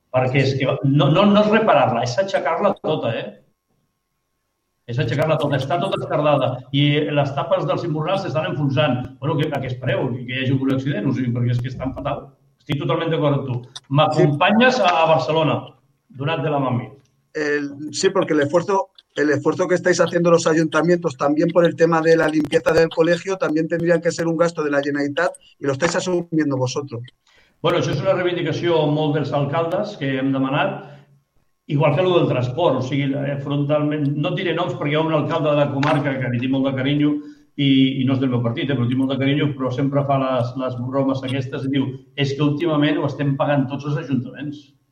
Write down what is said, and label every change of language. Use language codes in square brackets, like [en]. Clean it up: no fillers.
[ca] Perquè és que no és reparar-la, és aixecar-la tota, És aixecar-la tota, està tota escardada. I les tapes dels immorals s'estan enfonsant. Bueno, què espereu? Que hi hagi un accident? O sigui, perquè és que estan fatal. Estic totalment d'acord amb tu. M'acompanyes a Barcelona, donat de la mami. [es] Sí, porque el esfuerzo que estáis haciendo los ayuntamientos también por el tema de la limpieza del colegio también tendrían que ser un gasto de la Generalitat y lo estáis asumiendo vosotros. [ca] Bueno, això és una reivindicació molt dels alcaldes que hem demanat, igual que el del transport, o sigui, frontalment, no et diré noms perquè hi ha un alcalde de la comarca que li tinc molt de carinyo i no és del meu partit, però tinc molt de carinyo, però sempre fa les bromes aquestes i diu, és que últimament ho estem pagant tots els ajuntaments.